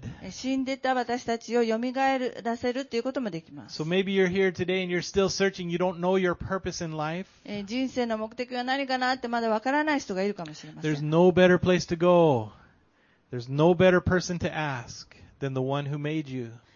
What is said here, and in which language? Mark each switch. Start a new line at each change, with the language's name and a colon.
Japanese: 死んでた私たちをよみがえらせるということもできます。
English: So maybe you're here today and you're still searching, you don't know your purpose in life.
Japanese: 人生の目的は何かなってまだわからない人がいるかもしれません。
English: There's no better place to go. There's no better person to ask than the one who made you.